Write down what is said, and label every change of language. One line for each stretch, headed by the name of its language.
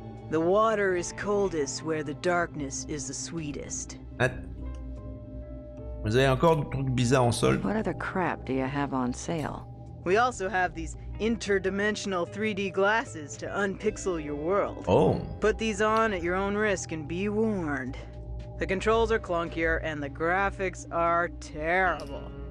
English: The water is coldest where the darkness is the sweetest.
French: Vous avez encore des trucs bizarres en sol.
English: What other crap do you have on sale? We also have these interdimensional 3D glasses to unpixel your world. Oh. Put these on at your own risk and be warned. The controls are clunkier and the graphics are terrible.